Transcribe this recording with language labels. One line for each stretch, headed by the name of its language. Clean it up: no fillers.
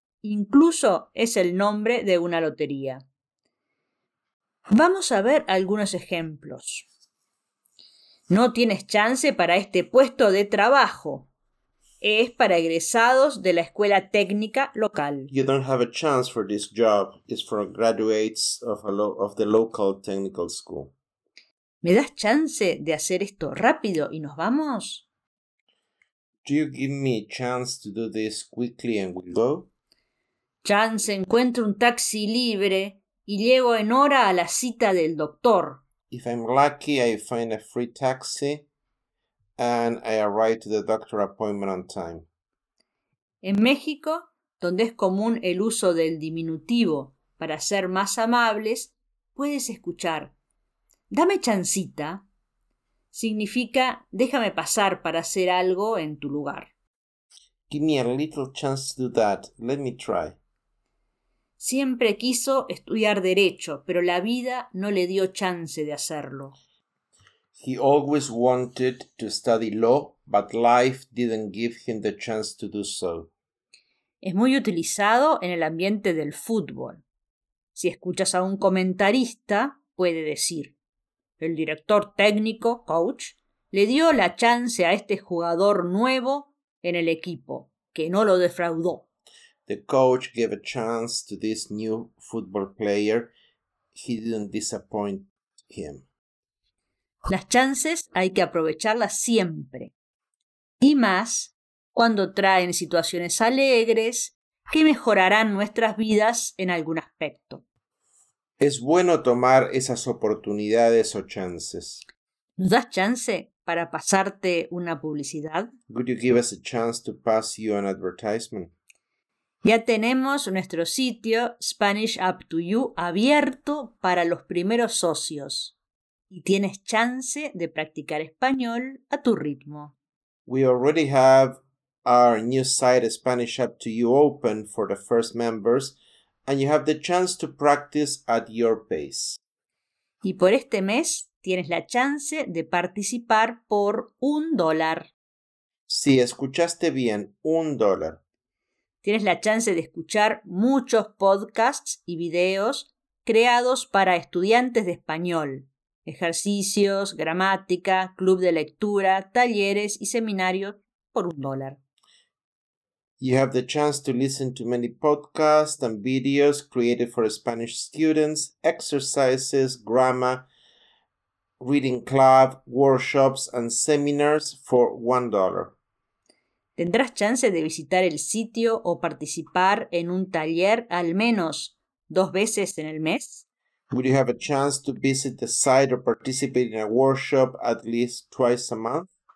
Spanish: Incluso es el nombre de una lotería. Vamos a ver algunos ejemplos. No tienes chance para este puesto de trabajo. Es para egresados de la escuela técnica local.
English: You don't have a chance for this job. It's for graduates of the local technical school.
Spanish: ¿Me das chance de hacer esto rápido y nos vamos?
English: Do you give me a chance to do this quickly and we go?
Spanish: Chance, encuentro un taxi libre y llego en hora a la cita del doctor.
English: If I'm lucky, I find a free taxi and I arrive to the doctor appointment on time.
Spanish: En México, donde es común el uso del diminutivo para ser más amables, puedes escuchar, dame chancita. Significa, déjame pasar para hacer algo en tu lugar.
English: Give me a little chance to do that. Let me try.
Spanish: Siempre quiso estudiar derecho, pero la vida no le dio chance de hacerlo.
English: He always wanted to study law, but life didn't give him the chance to do so.
Spanish: Es muy utilizado en el ambiente del fútbol. Si escuchas a un comentarista, puede decir, el director técnico, coach, le dio la chance a este jugador nuevo en el equipo, que no lo defraudó.
English: The coach gave a chance to this new football player. He didn't disappoint him.
Spanish: Las chances hay que aprovecharlas siempre. Y más, cuando traen situaciones alegres que mejorarán nuestras vidas en algún aspecto. Es bueno tomar esas oportunidades o chances. ¿Nos das chance para pasarte una publicidad?
English: Would you give us a chance to pass you an advertisement?
Spanish: Ya tenemos nuestro sitio Spanish Up to You abierto para los primeros socios. Y tienes chance de practicar español a tu ritmo.
English: We already have our new site Spanish Up to You open for the first members. And you have the chance to practice at your pace.
Spanish: Y por este mes tienes la chance de participar por $1. Sí, escuchaste bien, $1. Tienes la chance de escuchar muchos podcasts y videos creados para estudiantes de español. Ejercicios, gramática, club de lectura, talleres y seminarios por $1.
English: You have the chance to listen to many podcasts and videos created for Spanish students, exercises, grammar, reading club, workshops, and seminars for $1.
Spanish: Tendrás chance de visitar el sitio o participar en un taller al menos 2 veces en el mes.
English: Would you have a chance to visit the site or participate in a workshop at least twice a month?